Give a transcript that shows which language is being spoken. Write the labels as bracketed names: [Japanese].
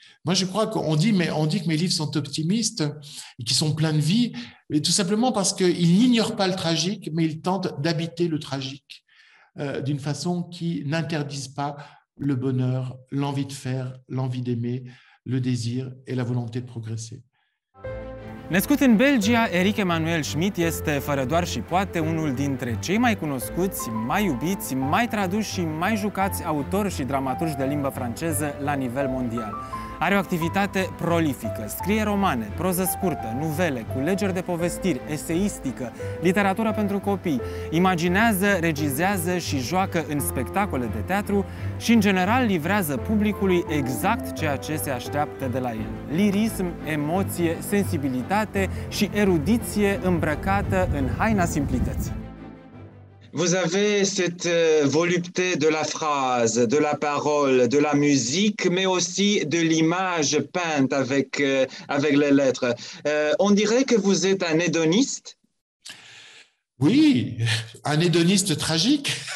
[French] Moi, je crois qu'on dit, mais on dit que mes livres sont optimistes et qu'ils sont pleins de vie, mais tout simplement parce qu'ils n'ignorent pas le tragique, mais ils tentent d'habiter le tragique d'une façon qui n'interdise pas le bonheur, l'envie de faire, l'envie d'aimer, le désir et la volonté de progresser. [Romanian] Născut în Belgia, Eric Emmanuel Schmitt este, fără doar și poate, unul dintre cei mai cunoscuți, mai iubiți, mai traduși și mai jucați autori și dramaturgi de limbă franceză la nivel mondial. Are o activitate prolifică, scrie romane, proză scurtă, nuvele, culegeri de povestiri, eseistică, literatură pentru copii, imaginează, regizează și joacă în spectacole de teatru și, în general, livrează publicului exact ceea ce se așteaptă de la el. Lirism, emoție, sensibilitate și erudiție îmbrăcată în haina simplității. [French] Vous avez cette volupté de la phrase, de la parole, de la musique, mais aussi de l'image peinte avec les lettres. On dirait que vous êtes un hédoniste. Oui, un hédoniste tragique.